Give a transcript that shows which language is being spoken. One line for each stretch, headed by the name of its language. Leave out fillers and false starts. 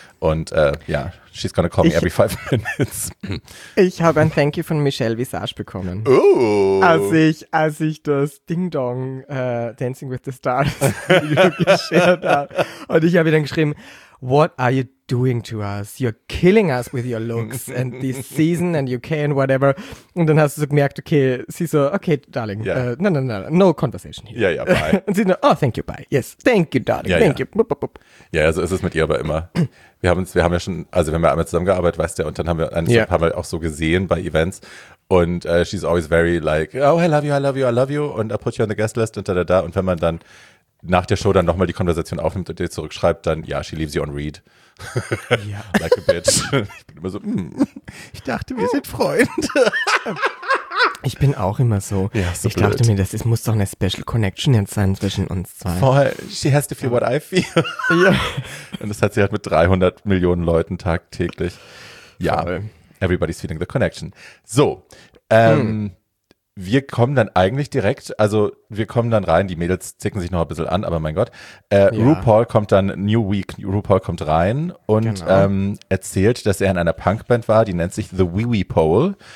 English: Und she's gonna call me every 5 minutes.
German: Ich habe ein Thank You von Michelle Visage bekommen. Oh! Als ich das Ding Dong Dancing with the Stars geshared habe. Und ich habe ihr dann geschrieben,
English: what are you doing to us? You're killing us with your looks and this season and UK and whatever.
German: Und dann hast du so gemerkt, okay, sie so, okay,
English: darling, no conversation here. Yeah, bye.
German: Und sie so, oh,
English: thank you, bye. Yes, thank you, darling, thank you.
German: Ja, so ist es mit ihr aber immer. Wir haben ja einmal zusammengearbeitet, weißt du, und dann haben wir ein paar Mal auch so gesehen bei Events.
English: Und she's always very like, oh, I love you. And I put you on the guest list
German: und da.
English: Und wenn man dann nach der Show dann nochmal die Konversation aufnimmt und dir zurückschreibt, dann, she leaves you on read.
German: Ja.
English: Like a bitch.
German: Ich bin immer so, ich dachte, wir sind Freunde. Ich bin auch immer so. Ja, so ich dachte mir, das muss doch eine Special Connection jetzt sein zwischen uns zwei.
English: Voll, she has to feel what I feel.
German: Ja. Und das hat sie halt mit 300 Millionen Leuten tagtäglich. Ja,
English: everybody's feeling the connection.
German: So, wir kommen dann eigentlich direkt, also wir kommen dann rein, die Mädels zicken sich noch ein bisschen an, aber mein Gott. RuPaul kommt dann, New Week, RuPaul kommt rein und erzählt, dass er in einer Punkband war, die nennt sich The Wee Wee Pole.